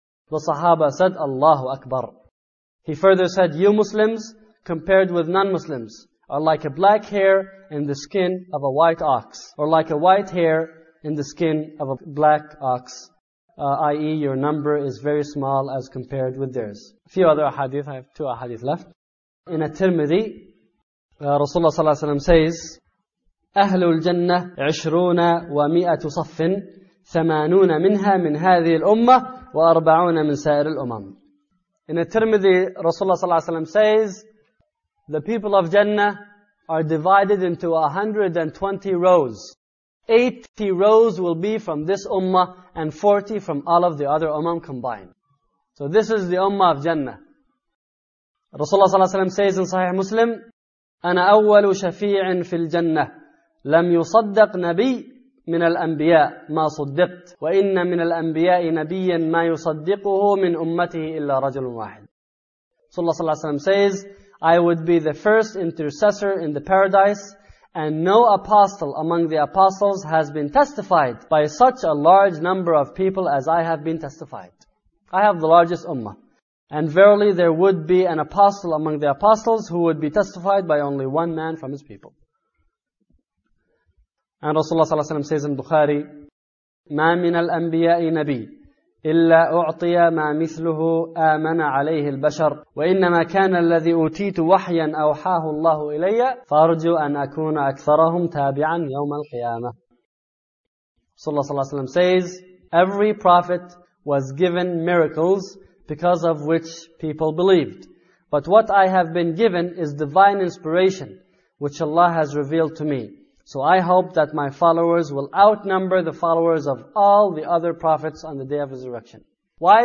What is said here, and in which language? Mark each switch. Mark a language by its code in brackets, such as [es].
[en] The Sahaba said, Allahu Akbar. He further said, you Muslims, compared with non-Muslims, are like a black hair in the skin of a white ox, or like a white hair in the skin of a black ox, i.e. your number is very small as compared with theirs. A few other ahadith, I have two ahadith left. In At-Tirmidhi, Rasulullah sallallahu alayhi wa sallam says, [ar] أهل الجنة 20 و100 صف 80 منها من هذه الأمة و40 من سائر الأمم. [en] In At-Tirmidhi, Rasulullah صلى الله عليه وسلم says, the people of Jannah are divided into 120 rows. 80 rows will be from this Ummah and 40 from all of the other Ummah combined. So this is the ummah of Jannah. Rasulullah sallallahu alayhi wa sallam says in Sahih Muslim, [ar] أنا أول شفيع في الجنة لم يصدق نبي من الأنبياء ما صدقت وإن من الأنبياء نبيا ما يصدقه من أمته إلا رجل واحد. [en] Rasulullah sallallahu alayhi wa sallam says, I would be the first intercessor in the paradise, and no apostle among the apostles has been testified by such a large number of people as I have been testified. I have the largest ummah. And verily there would be an apostle among the apostles who would be testified by only one man from his people. And Rasulullah sallallahu alayhi wa sallam says in Bukhari, [ar] مَا مِنَ الْأَنْبِيَاءِ نَبِيٍّ إِلَّا أُعْطِيَ مَا مِثْلُهُ آمَنَ عَلَيْهِ الْبَشَرُ وَإِنَّمَا كَانَ الَّذِي أُوتِيتُ وَحْيًا أَوْحَاهُ اللَّهُ إِلَيَّ فَأَرْجُوا أَنْ أَكُونَ أَكْثَرَهُمْ تَابِعًا يَوْمَ الْقِيَامَةِ. [en] Rasulullah sallallahu alayhi wa sallam says, every prophet was given miracles because of which people believed. But what I have been given is divine inspiration, which Allah has revealed to me. So I hope that my followers will outnumber the followers of all the other prophets on the day of resurrection. Why?